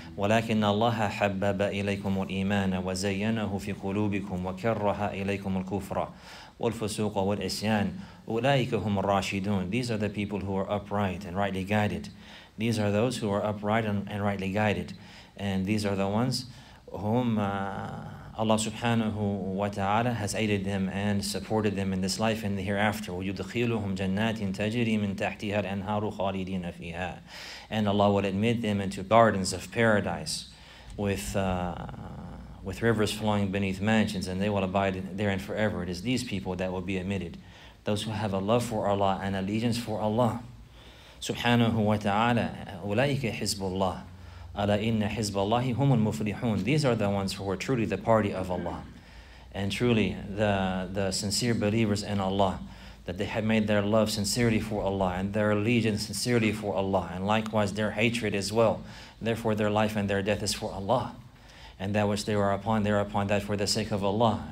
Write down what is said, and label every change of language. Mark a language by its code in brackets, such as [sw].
[ar] ولكن الله حبب إليكم الإيمان وزينه في قلوبكم وكره إليكم الكفر والفسوق والعصيان. أولئك هم الراشدون. [en] These are the people who are upright and rightly guided. These are those who are upright and rightly guided. And these are the ones whom Allah subhanahu wa ta'ala has aided them and supported them in this life and the hereafter. [ar] وَيُدْخِلُهُمْ جَنَّاتٍ تَجْرِي مِنْ تَحْتِهَا الْأَنْهَارُ خَالِدِينَ فِيهَا. [en] And Allah will admit them into gardens of paradise with rivers flowing beneath mansions, and they will abide therein forever. It is these people that will be admitted. Those who have a love for Allah and allegiance for Allah. Subhanahu wa ta'ala, [ar] أُولَٰئِكَ حِزْبُ اللَّهِ أَلَا إِنَّ حِزْبَ اللَّهِ هُمُ الْمُفْلِحُونَ. [en] These are the ones who are truly the party of Allah, and truly the sincere believers in Allah, that they have made their love sincerely for Allah, and their allegiance sincerely for Allah, and likewise their hatred as well. Therefore their life and their death is for Allah. And that which they are upon that for the sake of Allah.